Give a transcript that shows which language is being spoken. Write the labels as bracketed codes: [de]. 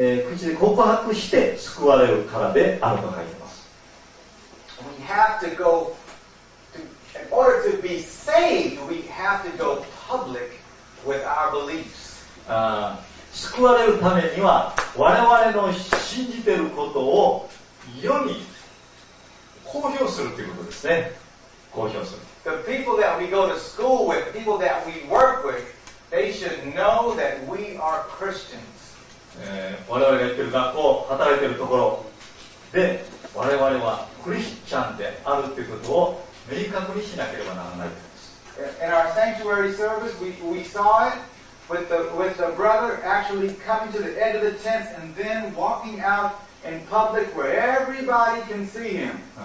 [ja] 口で告白して救われるからであると書いてます。 [en] We have to go to, in order to be saved, we have to go public with our beliefs. [ja] 救われるためには我々の信じていることを世に公表するということですね。公表する。 [en] The people that we go to school with, people that we work with, They should know that we are Christians. [ja] 我々がやってる学校、働いてるところで、我々はクリスチャンであるということを明確にしなければならないです。 [en] In our sanctuary service, we saw it with the brother actually coming to the edge of the tent and then walking out in public where everybody can see him.